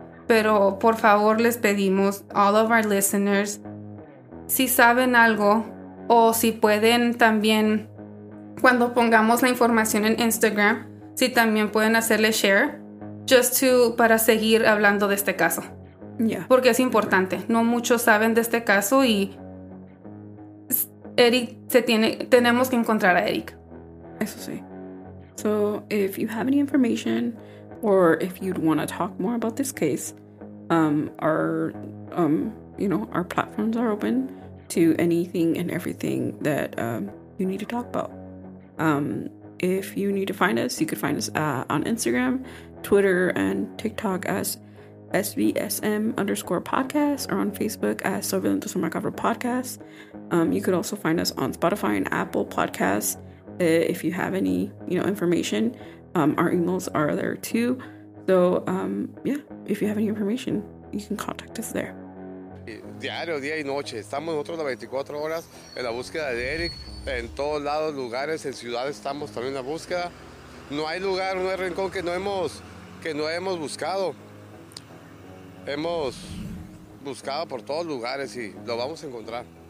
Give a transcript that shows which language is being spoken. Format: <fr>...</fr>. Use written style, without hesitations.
<es>Pero por favor, les pedimos,</es> <en>all of our listeners,</en> <es>si saben algo o si pueden también, cuando pongamos la información en Instagram, si también pueden hacerle share, para seguir hablando de este caso.</es> <en>Yeah.</en> <es>Porque es importante. No muchos saben de este caso y Erick tenemos que encontrar a Erick. Eso sí.</es> <en>So, if you have any information or if you'd want to talk more about this case, our platforms are open to anything and everything that you need to talk about. If you need to find us, you could find us on Instagram, Twitter, and TikTok as SVSM_podcast, or on Facebook as Sobrelento Se Me Acabó Podcast. You could also find us on Spotify and Apple Podcasts. If you have any, information, our emails are there too. So, if you have any information, you can contact us there.</en> <es>Diario, día y noche, estamos nosotros las 24 horas en la búsqueda de Erick. En todos lados, lugares, en ciudades estamos también en la búsqueda. No hay lugar, no hay rincón que no hemos buscado. Hemos buscado por todos lugares y lo vamos a encontrar.</es>